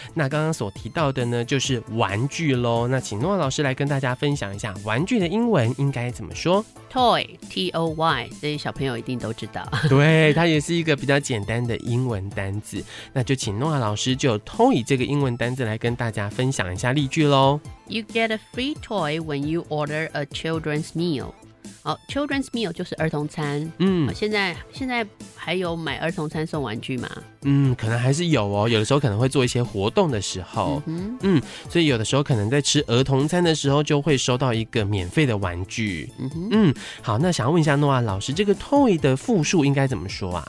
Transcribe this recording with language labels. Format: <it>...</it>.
<zh>那刚刚所提到的呢就是玩具咯，那请诺老师来跟大家分享一下玩具的英文应该怎么说。 Toy, T-O-Y, 这些小朋友一定都知道。对，它也是一个比较简单的英文单字。那就请诺亚老师就 Toy 这个英文单字来跟大家分享一下例句咯。</zh> <en>You get a free toy when you order a children's meal.</en> <zh>好 ，children's meal 就是儿童餐。嗯，现在还有买儿童餐送玩具吗？嗯，可能还是有哦，有的时候可能会做一些活动的时候。嗯，所以有的时候可能在吃儿童餐的时候就会收到一个免费的玩具。嗯，好，那想问一下诺亚老师，这个 toy 的复数应该怎么说啊？</zh>